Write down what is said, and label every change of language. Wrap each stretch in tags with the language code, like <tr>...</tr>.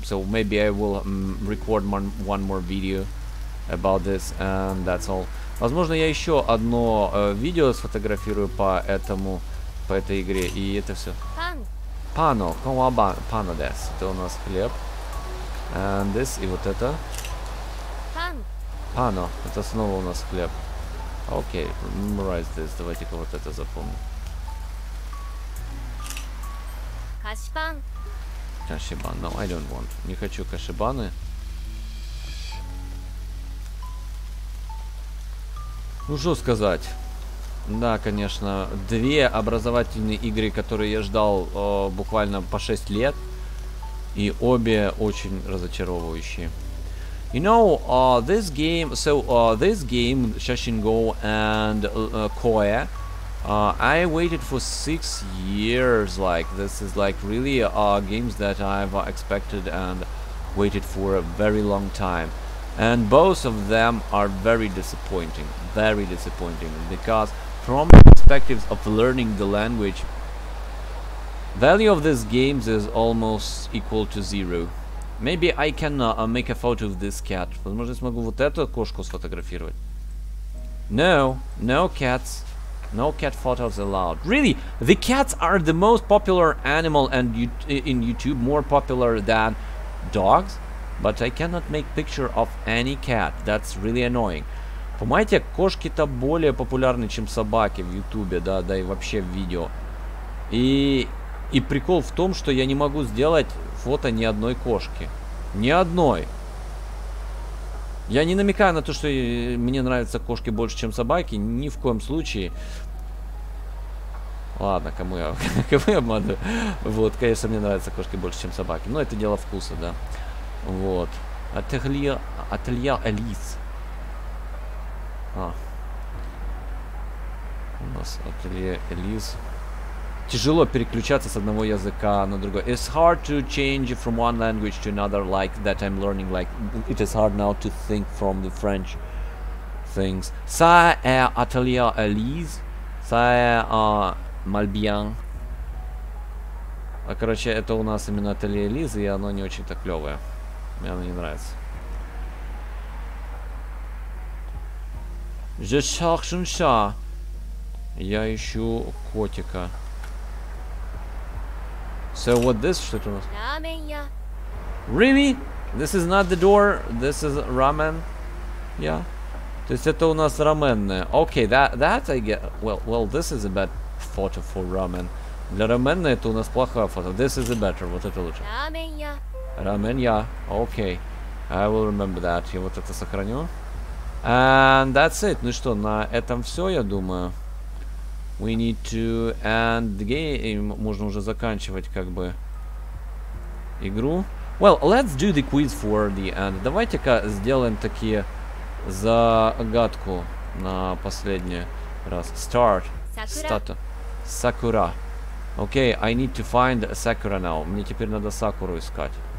<en>So, maybe I will record one more video about this, and that's all.</en> <ru>Возможно, я еще одно видео сфотографирую по этому, по этой игре, и это все. Пано, комаба, пано дес. Это у нас хлеб.</ru> <en>And this,</en> <ru>и вот это. Пано, это снова у нас хлеб.</ru> <en>Окей, memorize this.</en> <ru>Давайте-ка вот это запомним.</ru> <en>Кашибан. No, I don't want.</en> <ru>Не хочу кашибаны. Ну что сказать? Да, конечно, две образовательные игры, которые я ждал буквально по 6 лет, и обе очень разочаровывающие.</ru> <en>You know, this game, so this game, Shashingo and Koe, I waited for 6 years. Like, this is like really games that I've expected and waited for a very long time. And both of them are very disappointing. Very disappointing, because from the perspectives of learning the language, value of these games is almost equal to zero. Maybe I can make a photo of this cat. Возможно, смогу вот эту кошку сфотографировать. No, no cats. No cat photos allowed. Really, the cats are the most popular animal and in YouTube, more popular than dogs. But I cannot make picture of any cat. That's really annoying.</en> <ru>Понимаете, кошки-то более популярны, чем собаки в YouTube, да, да и вообще в видео. И прикол в том, что я не могу сделать фото ни одной кошки. Ни одной. Я не намекаю на то, что мне нравятся кошки больше, чем собаки. Ни в коем случае. Ладно, кому я обманываю. Вот, конечно, мне нравятся кошки больше, чем собаки. Но это дело вкуса, да. Вот. Ателье Элис. А. У нас ателье Элис. Тяжело переключаться с одного языка на другой.</ru> <en>It's hard to change from one language to another, like that I'm learning, like it is hard now to think from the French things.</en> <fr>Ça est ателье Элис. Ça est Мальбиан.</fr> <ru>А короче, это у нас именно ателье Элис, и оно не очень-то клевое. Мне оно не нравится.</ru> <fr>Je cherche un chat.</fr> <ru>Я ищу котика.</ru> <en>So what this?</en> <ru>Что это у нас? Рамен.</ru> <en>Really? This is not the door. This is ramen. Yeah.</en> <ru>То есть это у нас раменная.</ru> <en>Okay, that I get. Well, this is a bad photo for ramen.</en> <ru>Для раменной это у нас плохая фото.</ru> <en>This is a better.</en> <ru>Вот это лучше. Рамен. Рамен, я. Окей.</ru> <en>I will remember that.</en> <ru>Я вот это сохраню.</ru> <en>And that's it.</en> <ru>Ну что, на этом все, я думаю.</ru> <en>We need to end the game.</en> <ru>Можно уже заканчивать, как бы, игру.</ru> <en>Well, let's do the quiz for the end.</en> <ru>Давайте-ка сделаем такие загадку на последний раз.</ru> <en>Start. Sakura. Sakura. Okay, I need to find Sakura now.</en> <ru>Мне теперь надо Сакуру искать.</ru>